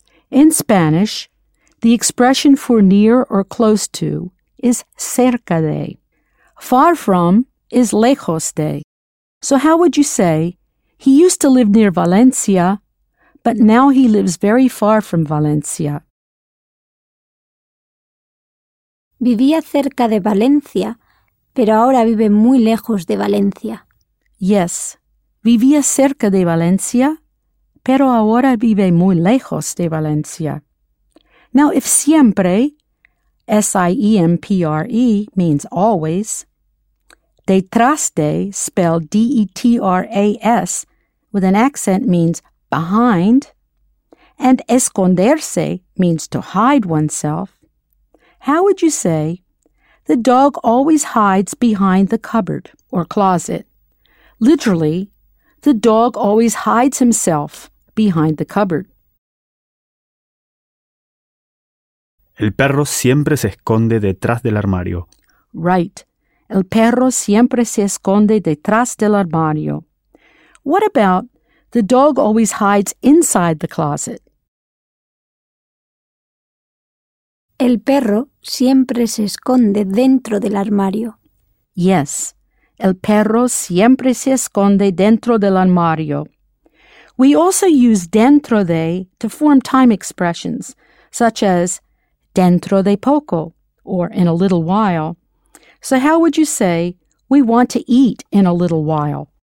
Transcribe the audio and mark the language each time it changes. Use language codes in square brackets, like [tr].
[en] In Spanish, the expression for near or close to is cerca de. Far from is lejos de. So how would you say, he used to live near Valencia, but now he lives very far from Valencia? [es] Vivía cerca de Valencia, pero ahora vive muy lejos de Valencia. Yes, vivía cerca de Valencia, pero ahora vive muy lejos de Valencia. [en] Now, if siempre, S-I-E-M-P-R-E, means always, detrás de, spelled D-E-T-R-A-S, with an accent means behind, and esconderse means to hide oneself, how would you say, the dog always hides behind the cupboard or closet? Literally, the dog always hides himself behind the cupboard. [es] El perro siempre se esconde detrás del armario. [en] Right. [es] El perro siempre se esconde detrás del armario. [en] What about the dog always hides inside the closet? [es] El perro siempre se esconde dentro del armario. [en] Yes. [es] El perro siempre se esconde dentro del armario. [en] We also use dentro de to form time expressions, such as dentro de poco, or in a little while. So how would you say, we want to eat in a little while?